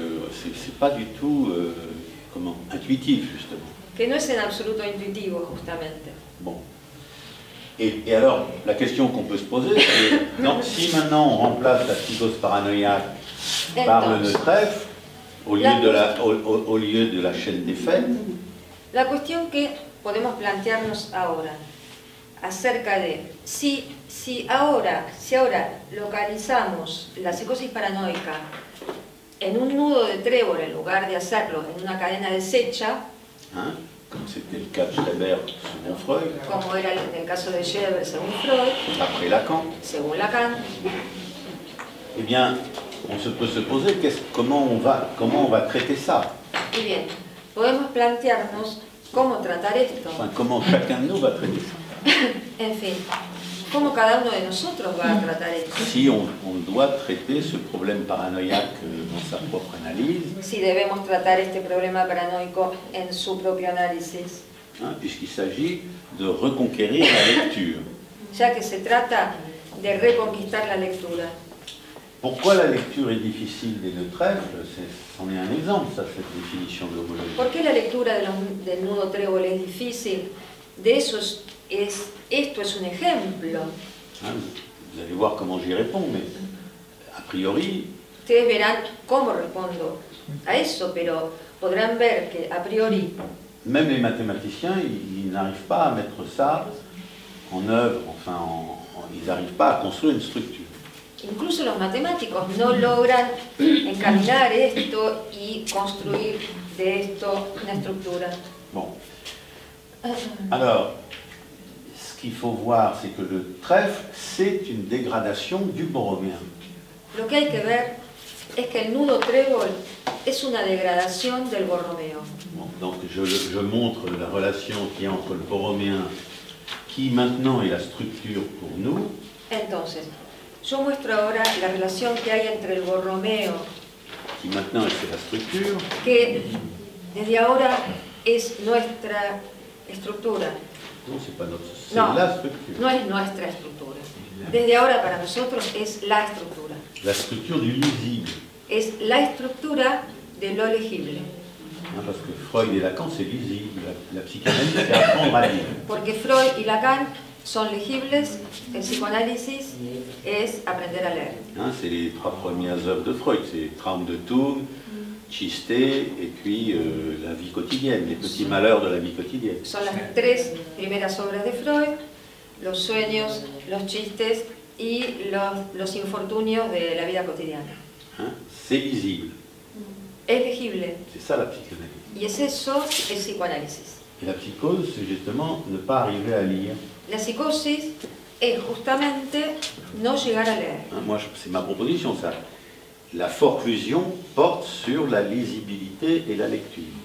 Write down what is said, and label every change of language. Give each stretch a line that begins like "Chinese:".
French: C'est pas du tout comment intuitif justement.
Spanish: Que no es en absoluto intuitivo justamente.
French: Bon. Et alors la question qu'on peut se poser c'est donc si maintenant on remplace la psychose paranoïaque par le nœud trèfle au lieu de la chaîne des faits.
Spanish: La question que podemos plantearnos ahora acerca de si ahora localizamos la psicosis paranoica en un nudo de trébol en lugar de hacerlo en una cadena deshecha,
French: comme c'était le cas de Schreber selon Freud,
Spanish: como era en el caso de Schreber según Freud,
French: après Lacan,
Spanish: según Lacan,
French: eh bien on se peut se poser comment on va traiter ça.
Spanish: Et bien, podemos plantearnos cómo tratar esto.
French: Enfin, comment chacun de nous va traiter ça.
Spanish: En fin, cómo cada uno de nosotros va a tratar esto.
French: Si on doit traiter ce problème paranoïaque dans sa propre analyse.
Spanish: Si debemos tratar este problema paranoico en su propio análisis.
French: Hein, puisqu'il s'agit de reconquérir la lecture.
Spanish: Ya que se trata de reconquistar la lectura.
French: Pourquoi la lecture est difficile des nœuds trèfles, c'en est un exemple, ça, cette définition de l'homologie.
Spanish: Pourquoi la lecture des nœuds trèfles est difficile, esto es un exemple.
French: Vous allez voir comment j'y réponds, mais a priori.
Spanish: Ustedes verán cómo respondo a eso, pero podrán ver que a priori.
French: Même les mathématiciens, ils n'arrivent pas à mettre ça en œuvre, enfin, ils n'arrivent pas à construire une structure.
Spanish: Incluso los matemáticos no logran encaminar esto y construir de esto una estructura.
French: Bon. Alors, ce qu'il faut voir, c'est que le trèfle, c'est une dégradation du borroméen.
Spanish: Lo que hay que ver es que el nudo trébol es una degradación del borromeo.
French: Bon, donc je montre la relation qui est entre le borroméen, qui maintenant est la structure pour nous.
Spanish: Entonces, yo muestro ahora la relación que hay entre el borromeo,
French: qui maintenant est la structure,
Spanish: que desde ahora es nuestra estructura,
French: No, c'est pas notre, c'est no, la structure.
Spanish: No es nuestra estructura. Desde ahora para nosotros es la estructura.
French: La structure du lisible.
Spanish: Es la estructura de lo legible.
French: Non, parce que Freud et Lacan, c'est lisible. La psychanalyse, c'est apprendre à lire.
Spanish: Porque Freud y Lacan son legibles, el psicoanálisis es aprender a leer.
French: Hein, c'est les trois premières œuvres de Freud, c'est Traum de Thun, Chisté, et puis la vie quotidienne, les petits malheurs de la vie quotidienne.
Spanish: Son las tres primeras obras de Freud, los sueños, los chistes y los infortunios de la vida cotidiana.
French: Hein, c'est lisible.
Spanish: Es legible.
French: C'est ça la psychanalyse.
Spanish: Y es eso el psicoanálisis.
French: Et la psychose, c'est justement ne pas arriver à lire.
Spanish: La psicosis es justamente no llegar a leer.
French: Hein, moi, c'est ma proposition, ça. La forclusion porte sur la lisibilité et la lecture.